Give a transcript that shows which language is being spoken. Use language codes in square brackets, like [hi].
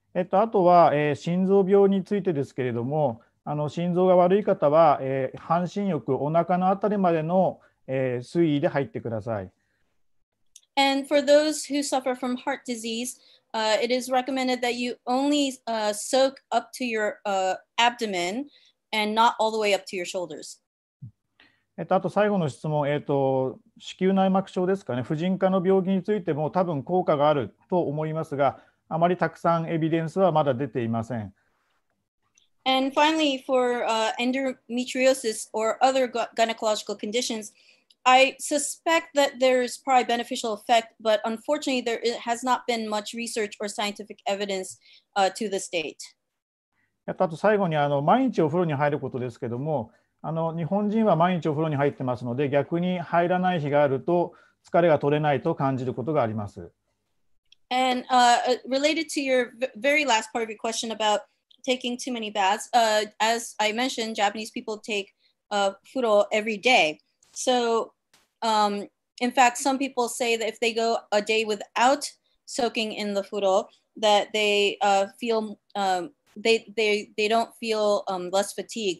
[ja] あとは、心臓病についてですけれども、心臓が悪い方は、半身浴、お腹のあたりまでの水位で入ってください。 [en] And for those who suffer from heart disease, it is recommended that you only soak up to your abdomen and not all the way up to your shoulders. [ja] あと最後の質問、子宮内膜症ですかね、婦人科の病気についても多分効果があると思いますが、あまりたくさんエビデンスはまだ出ていません。 [en] And finally, for endometriosis or other gynecological conditions, I suspect that there is probably beneficial effect, but unfortunately, there has not been much research or scientific evidence to this date. [ja] あと最後に毎日お風呂に入ることですけども、日本人は毎日お風呂に入ってますので、逆に入らない日があると疲れが取れないと感じることがあります。 [en] And related to your very last part of your question about taking too many baths. As I mentioned, Japanese people take furo every day. So, in fact, some people say that if they go a day without soaking in the furo, that they feel they don't feel less fatigue.